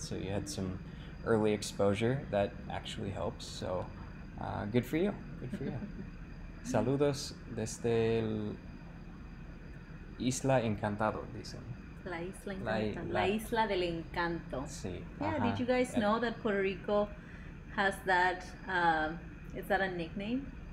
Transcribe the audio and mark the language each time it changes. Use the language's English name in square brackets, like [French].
[English] So you had some early exposure that actually helps. So good for you. Good for you. [Spanish] Saludos desde el Isla Encantado, dicen. La Isla del Encanto. Sí. [English] Yeah, uh-huh. Did you guys know that Puerto Rico has that, is that a nickname?